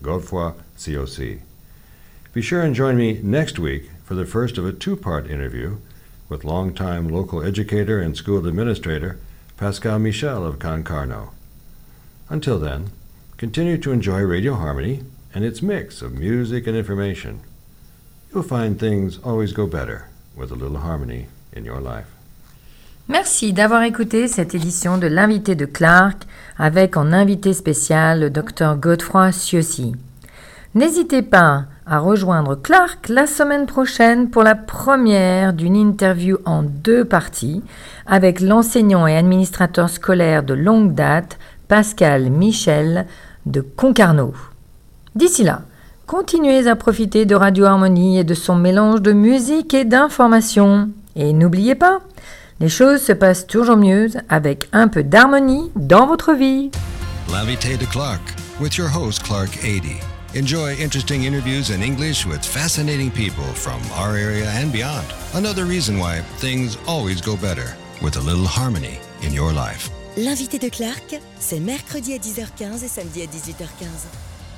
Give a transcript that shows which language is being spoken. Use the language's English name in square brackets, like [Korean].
[English] Godefroy COC. Be sure and join me next week for the first of a two-part interview with longtime local educator and school administrator, Pascal Michel of Concarneau. Until then, continue to enjoy Radio Harmony and its mix of music and information. You'll find things always go better with a little harmony in your life. [French] Merci d'avoir écouté cette édition de L'Invité de Clark avec en invité spécial le Dr. Godefroy Ciossi. N'hésitez pas à rejoindre Clark la semaine prochaine pour la première d'une interview en 2 parties avec l'enseignant et administrateur scolaire de longue date, Pascal Michel de Concarneau. D'ici là, continuez à profiter de Radio Harmonie et de son mélange de musique et d'informations. Et n'oubliez pas, les choses se passent toujours mieux avec un peu d'harmonie dans votre vie. [English] L'invité de Clark, with your host Clark Ady. Enjoy interesting interviews in English with fascinating people from our area and beyond. Another reason why things always go better with a little harmony in your life. [French] L'invité de Clark, c'est mercredi à 10h15 et samedi à 18h15.